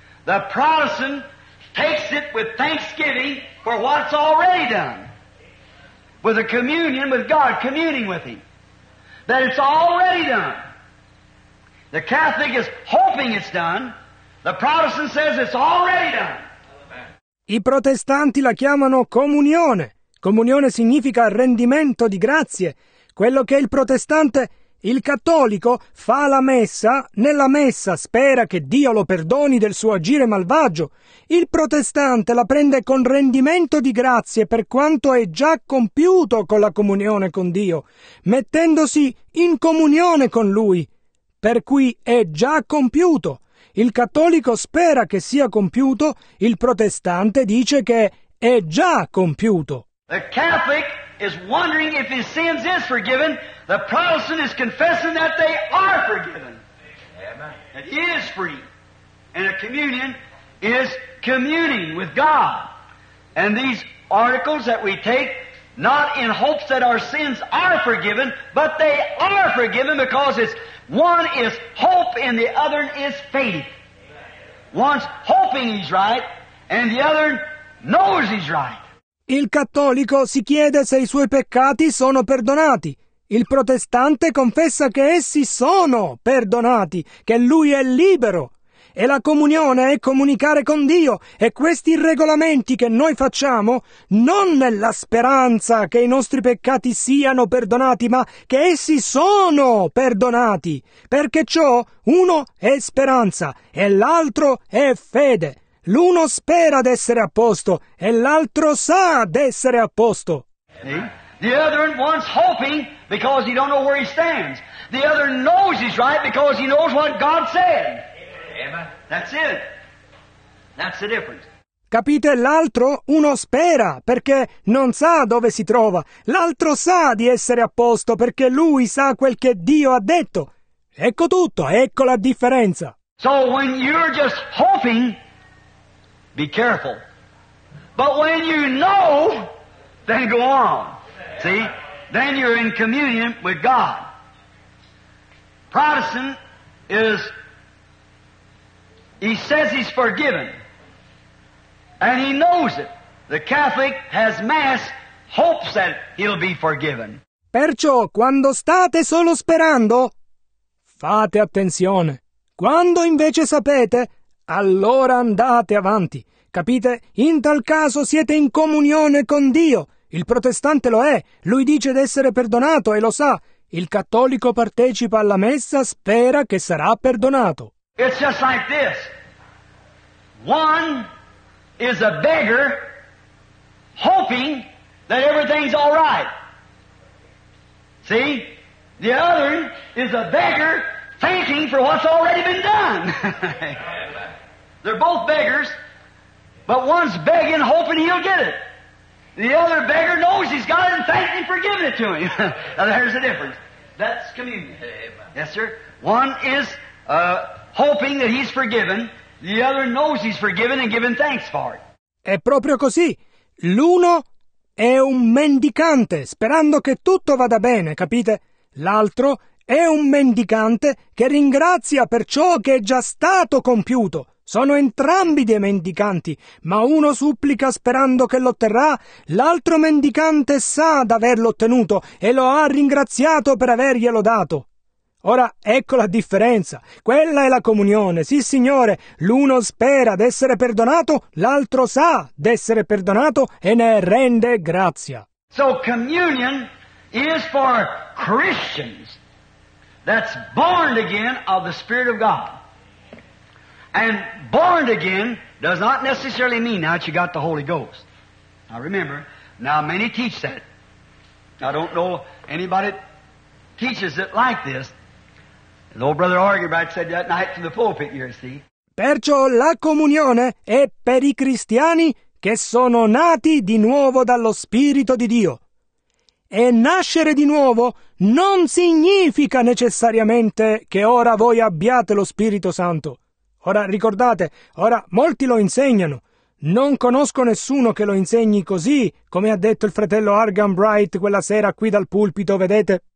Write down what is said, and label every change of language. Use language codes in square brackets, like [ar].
[en] The Protestant takes it with thanksgiving for what's already done. With a communion with God, communing with Him. That it's already done. The Catholic is hoping it's done. The Protestant says it's already done. [it] I protestanti la chiamano comunione. Comunione significa rendimento di grazie. Quello che il protestante, il cattolico, fa la messa, nella messa spera che Dio lo perdoni del suo agire malvagio. Il protestante la prende con rendimento di grazie per quanto è già compiuto con la comunione con Dio, mettendosi in comunione con Lui, per cui è già compiuto. Il cattolico spera che sia compiuto, il protestante dice che è già compiuto. [en] The Catholic is wondering if his sins is forgiven. The Protestant is confessing that they are forgiven. Amen. That he is free. And a communion is communing with God. And these articles that we take, not in hopes that our sins are forgiven, but they are forgiven because it's one is hope and the other is faith. One's hoping he's right and the other knows he's right. [it] Il cattolico si chiede se i suoi peccati sono perdonati. Il protestante confessa che essi sono perdonati, che lui è libero. E la comunione è comunicare con Dio, e questi regolamenti che noi facciamo non nella speranza che i nostri peccati siano perdonati, ma che essi sono perdonati. Perché ciò uno è speranza e l'altro è fede. L'uno spera d'essere a posto e l'altro sa d'essere a posto. [en] The other one's hoping because he don't know where he stands. The other knows he's right because he knows what God said. Amen. That's it. That's the difference. [it] Capite? L'altro, uno spera perché non sa dove si trova. L'altro sa di essere a posto perché lui sa quel che Dio ha detto. Ecco tutto, ecco la differenza. [en] So when you're just hoping, be careful. But when you know, then go on. See, then you're in communion with God. Protestant is, he says he's forgiven, and he knows it. The Catholic has mass, hopes that he'll be forgiven. [it] Perciò, quando state solo sperando, fate attenzione. Quando invece sapete, allora andate avanti. Capite? In tal caso siete in comunione con Dio. Il protestante lo è, lui dice d'essere perdonato e lo sa. Il cattolico partecipa alla messa, spera che sarà perdonato. [en] It's just like this. One is a beggar hoping that everything's all right. See? The other is a beggar thanking for what's already been done. They're both beggars, but one's begging hoping he'll get it. The other beggar knows he's got it and thanks him for giving it to him. Now there's the difference. That's communion. Amen. Yes, sir. One is hoping that he's forgiven. The other knows he's forgiven and given thanks for it. [it] È proprio così. L'uno è un mendicante sperando che tutto vada bene, capite? L'altro è un mendicante che ringrazia per ciò che è già stato compiuto. Sono entrambi dei mendicanti, ma uno supplica sperando che l'otterrà, l'altro mendicante sa d'averlo ottenuto e lo ha ringraziato per averglielo dato. Ora, ecco la differenza. Quella è la comunione. Sì, Signore, l'uno spera d'essere perdonato, l'altro sa d'essere perdonato e ne rende grazia. [en] So communion is for Christians that's born again of the Spirit of God. And born again does not necessarily mean now that you got the Holy Ghost. Now remember, Now, many teach that. I don't know anybody teaches it like this. An old brother Argybright said that night from the pulpit, you see. [it] Perciò la comunione è per I cristiani che sono nati di nuovo dallo Spirito di Dio. E nascere di nuovo non significa necessariamente che ora voi abbiate lo Spirito Santo. Ora ricordate, ora molti lo insegnano. Non conosco nessuno che lo insegni così, come ha detto il fratello Argan Bright quella sera qui dal pulpito, vedete?